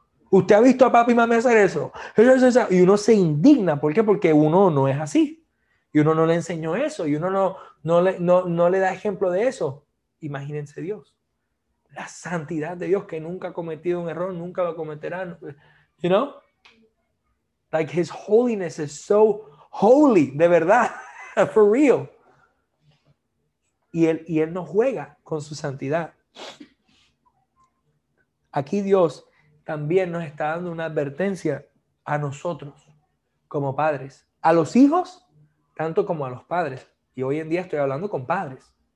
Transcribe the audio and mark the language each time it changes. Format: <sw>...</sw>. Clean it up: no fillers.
<es>¿Usted ha visto a papi y mami hacer eso? Y uno se indigna. ¿Por qué? Porque uno no es así. Y uno no le enseñó eso. Y uno no le da ejemplo de eso. Imagínense Dios. La santidad de Dios que nunca ha cometido un error, nunca lo cometerá.</es> <en>You know? Like his holiness is so holy.</en> <es>De verdad.</es> <en>For real.</en> <es>Y él no juega con su santidad. Aquí Dios también nos está dando una advertencia a nosotros como padres. A los hijos, tanto como a los padres. Y hoy en día estoy hablando con padres.</es>